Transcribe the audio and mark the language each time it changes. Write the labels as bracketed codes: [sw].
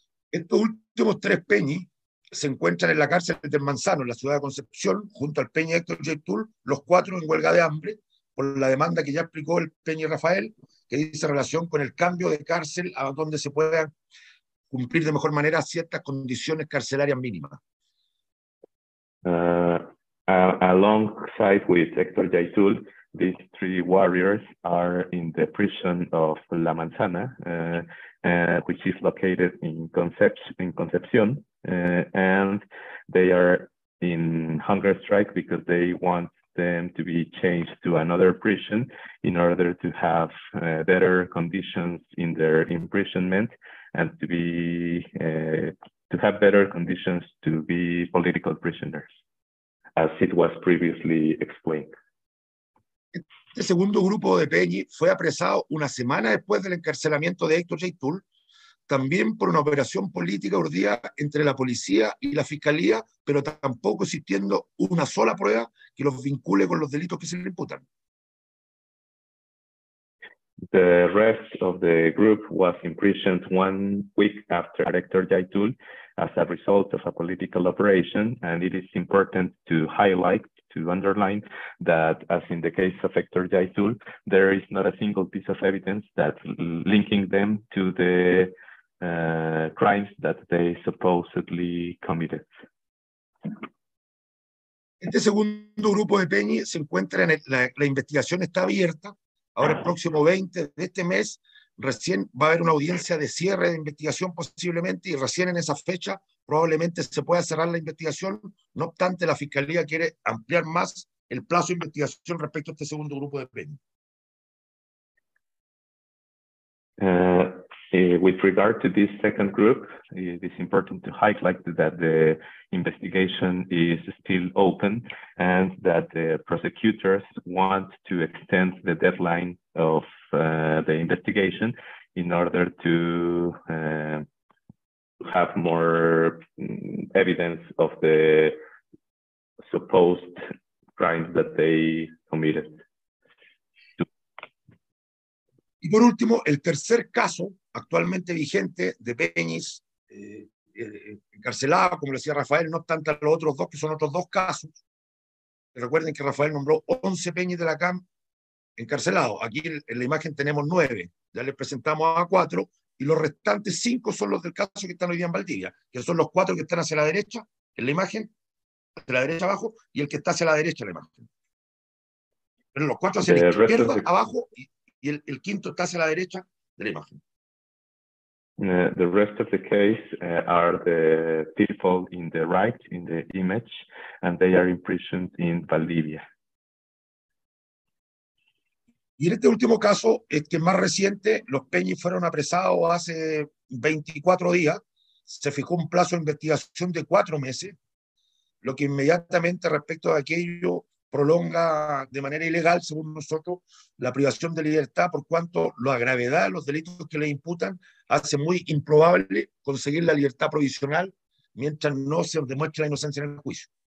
[es] Estos últimos tres Peñi se encuentran en la cárcel del Manzano, en la ciudad de Concepción, junto al Peñi Héctor J. Tull, los cuatro en huelga de hambre, por la demanda que ya explicó el Peñi Rafael, que dice relación con el cambio de cárcel a donde se puedan cumplir de mejor manera ciertas condiciones carcelarias mínimas. [en] Alongside with Héctor J. Tull, these three warriors are in the prison of La Manzana, which is located in Concepción, and they are in hunger strike because they want them to be changed to another prison in order to have better conditions in their imprisonment and to be to have better conditions to be political prisoners, as it was previously explained. [es] Este segundo grupo de Peñi fue apresado una semana después del encarcelamiento de Héctor Jaitul, también por una operación política urdida entre la policía y la fiscalía, pero tampoco existiendo una sola prueba que los vincule con los delitos que se le imputan. [en] The rest of the group was imprisoned 1 week after Héctor Jaitul as a result of a political operation, and it is important to highlight, to underline, that as in the case of Héctor Jaitul, there is not a single piece of evidence that linking them to the crimes that they supposedly committed. [es] Este segundo grupo de Peñi se encuentra en la investigación está abierta. Ahora el próximo 20 de este mes recién va a haber una audiencia de cierre de investigación posiblemente y recién en esa fecha probablemente se pueda cerrar la investigación. No obstante, la fiscalía quiere ampliar más el plazo de investigación respecto a este segundo grupo de Peñi. [en] With regard to this second group, it is important to highlight that the investigation is still open and that the prosecutors want to extend the deadline of the investigation in order to have more evidence of the supposed crimes that they committed. [es] Y por último, el tercer caso actualmente vigente de Peñis encarcelada, como decía Rafael, no obstante los otros dos, que son otros dos casos. Recuerden que Rafael nombró 11 Peñis de la CAM encarcelados. Aquí en la imagen tenemos 9. Ya les presentamos a 4. Y los restantes 5 son los del caso que están hoy día en Valdivia, que son los 4 que están hacia la derecha en la imagen, hacia la derecha abajo, y el que está hacia la derecha en la imagen. Pero los 4 hacia la izquierda, abajo, y el quinto está hacia la derecha de la imagen. [en] The rest of the case are the people in the right, in the image, and they are imprisoned in Valdivia. [es] Y en este último caso, este más reciente, los Peñis fueron apresados hace 24 días. Se fijó un plazo de investigación de 4 meses, lo que inmediatamente respecto a aquello prolonga de manera ilegal, según nosotros, la privación de libertad, por cuanto la gravedad de los delitos que le imputan hace muy improbable conseguir la libertad provisional mientras no se demuestre la inocencia en el juicio.